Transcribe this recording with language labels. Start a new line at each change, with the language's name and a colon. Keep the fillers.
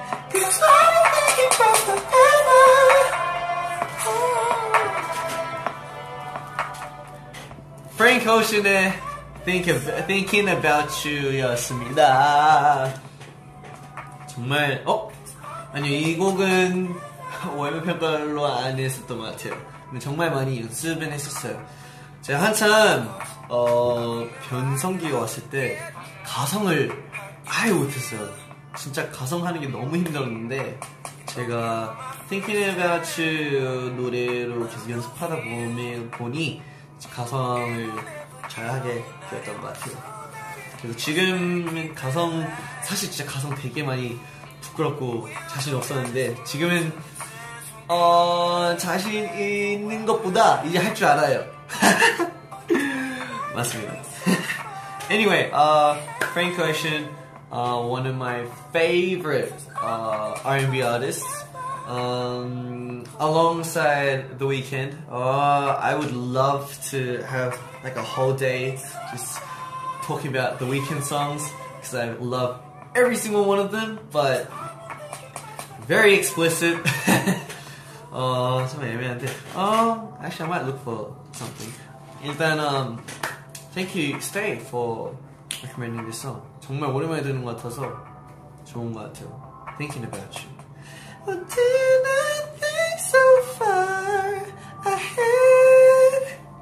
English: Cause I'm thinking about forever. Ooh.
Korean: Frank Ocean의 Think of, Thinking About You였습니다. 정말 어 아니요 이 곡은 월매 평가로 안 했었던 것 같아요. 근데 정말 많이 연습은 했었어요. 제가 한참 어, 변성기가 왔을 때 가성을 아예 못했어요. 진짜 가성하는 게 너무 힘들었는데 제가 Thinking About You 노래로 계속 연습하다 보면 보니 가성을 잘하게 되었던 것 같아요. 그래서 지금은 가성 사실 진짜 가성 되게 많이 부끄럽고 자신 없었는데 지금은 어 자신 있는 것보다 이제 할 줄 알아요. 맞습니다.
English: anyway, uh, Frank Ocean, uh, one of my favorite uh, R&B artists. Um, alongside The Weeknd, uh, I would love to have like a whole day just talking about The Weeknd songs because I love every single one of them, but very explicit.
Korean: 어, 좀 애매한데.
English: 어, actually, I might look for something. 일단, um, thank you, Stay, for recommending this song.
Korean: 정말 오랜만에 들은 것 같아서 좋은 것 같아요.
English: Thinking about you. Well, did I think so far ahead?